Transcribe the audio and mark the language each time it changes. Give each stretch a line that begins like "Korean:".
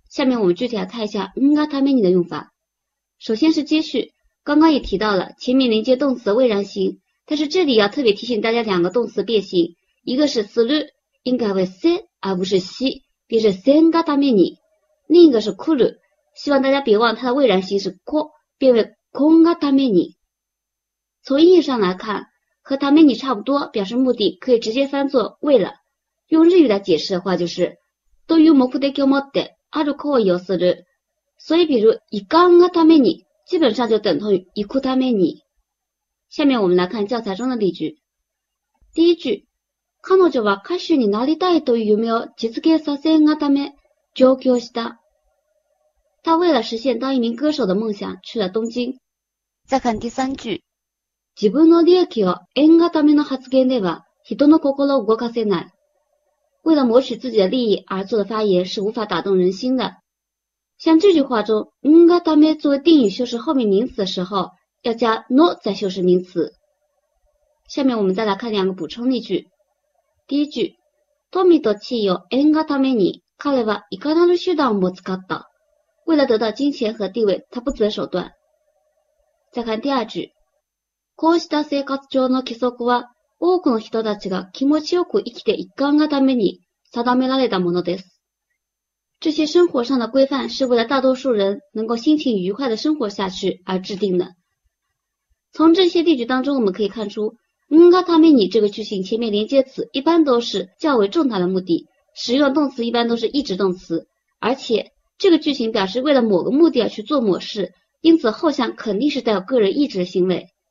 Chinese: 下面我们具体来看一下んがために的用法。首先是接续，刚刚也提到了前面连接动词的未然形，但是这里要特别提醒大家两个动词变形，一个是する，应该为せ而不是し，便是せんがために。另一个是くる，希望大家别忘它的未然形是こ，变为こんがために。从意义上来看，和ために差不多，表示目的可以直接翻作为了。用日语来解释的话就是
Japanese: という目的を持ってある行為をする。
Chinese: 所以比如行かんがために基本上就等同于行くために。下面我们来看教材中的例句。第一句，
Japanese: 彼女は歌手になりたいという夢を実現させんがため上京した。
Chinese: 他为了实现当一名歌手的梦想去了东京。再看第三句，
Japanese: 自分の利益を得るための発言では人の心を動かせない。
Chinese: 为了谋取自己的利益而做的发言是无法打动人心的。像这句话中，得るため作为定语修饰后面名词的时候，要加の再修饰名词。下面我们再来看两个补充例句。第一句，
Japanese: 富と地位を得るために彼はいかなる手段も使った。
Chinese: 为了得到金钱和地位，他不择手段。再看第二句。
Japanese: こうした生活上の規則は多くの人たちが気持ちよく生きていかんがために定められたものです。
Chinese: 这些生活上的规范是为了大多数人能够心情愉快地生活下去而制定的。从这些例句当中我们可以看出，んがために这个句型前面连接词一般都是较为重大的目的，使用动词一般都是一直动词，而且这个句型表示为了某个目的而去做某事，因此后向肯定是带有个人意志的行为。